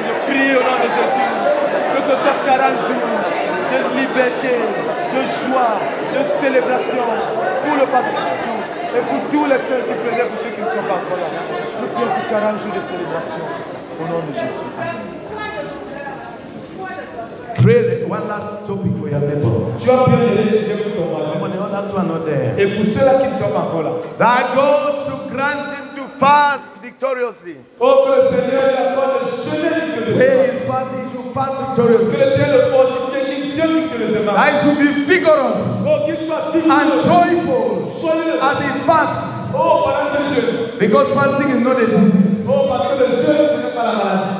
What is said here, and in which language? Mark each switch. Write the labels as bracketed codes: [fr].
[fr] Je prie au nom de Jésus que ce soit 40 jours de liberté, de joie, de célébration pour le pasteur Mathieu et pour tous les frères et sœurs, pour ceux qui ne sont pas encore là. Nous prions pour 40 jours de célébration au nom de Jésus. [en] Pray one last topic for your neighbor. [fr] Tu as prié le sujet pour ton voisin. Et pour ceux-là qui ne sont pas encore là. [en] That God should grant him to fast victoriously. [fr] Oh, que le Seigneur lui accorde le chemin victorieusement. Que le Seigneur le fortifie et qu'il jeûne victorieusement. [en] That he should be vigorous. [fr] Oh, qu'il soit vigoureux. [en] And joyful. As he fasts. [fr] Oh, pendant le jeûne. [en] Because fasting is not a disease. [fr] Oh, parce que le jeûne n'est pas la maladie.